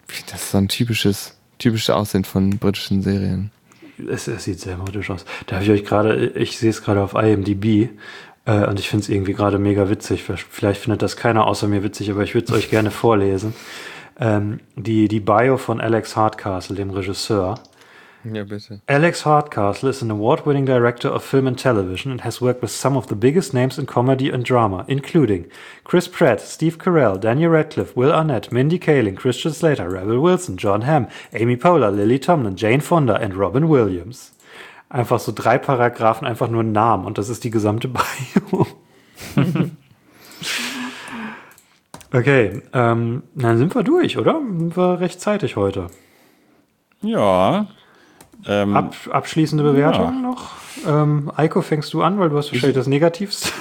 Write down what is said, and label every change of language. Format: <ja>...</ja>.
<de>Das ist so ein typisches Aussehen von britischen Serien. Es sieht sehr britisch aus. Da habe ich euch gerade, ich sehe es gerade auf IMDb. Und ich finde es irgendwie gerade mega witzig. Vielleicht findet das keiner außer mir witzig, aber ich würde es euch gerne vorlesen. Die Bio von Alex Hardcastle, dem Regisseur. Ja, bitte.</de> <en>Alex Hardcastle is an award-winning director of film and television and has worked with some of the biggest names in comedy and drama, including Chris Pratt, Steve Carell, Daniel Radcliffe, Will Arnett, Mindy Kaling, Christian Slater, Rebel Wilson, John Hamm, Amy Poehler, Lily Tomlin, Jane Fonda and Robin Williams.</en> <de>Einfach so drei Paragraphen, einfach nur einen Namen. Und das ist die gesamte Bio. Okay, dann sind wir durch, oder? Sind wir rechtzeitig heute? Ja. Abschließende Bewertung noch? Eiko, fängst du an, weil du hast wahrscheinlich das Negativste.</de>